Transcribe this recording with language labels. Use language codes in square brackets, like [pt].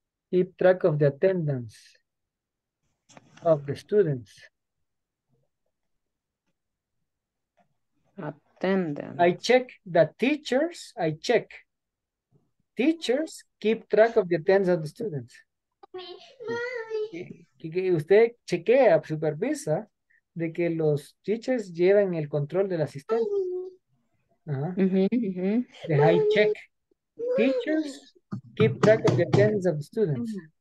[en] Keep track of the attendance of the students. Attendance. I check. Teachers keep track of the attendance of the students. Mommy. [es] Usted chequea, supervisa, de que los teachers llevan el control del asistente. Uh-huh. Mm-hmm, [en] mm-hmm. I check. Mommy. Teachers keep track of the attendance of the students.